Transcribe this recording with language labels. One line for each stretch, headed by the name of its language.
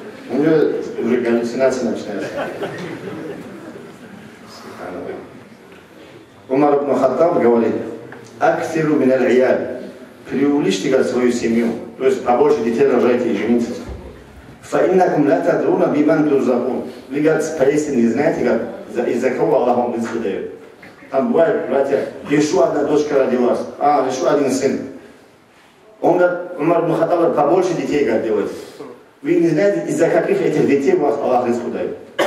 Russian: У него уже галлюцинации начинаются. Умар ибн Хаттаб говорит,
Arabic: «Актиру миналь ияль»,
Russian: преувеличьте свою семью. То есть побольше детей рожайте и женитесь.
Arabic: فإنكم لا تدرون بمن ترزقون.
Russian: Вы говорите, поистине не знаете, как, из-за кого Аллах вам близко дает. Там бывает, братья, еще одна дочка родилась, а, еще один сын. Он говорит, Умар ибн Хаттаб говорит, побольше детей как делать. Вы не знаете, из-за каких этих детей вас Аллах близко дает.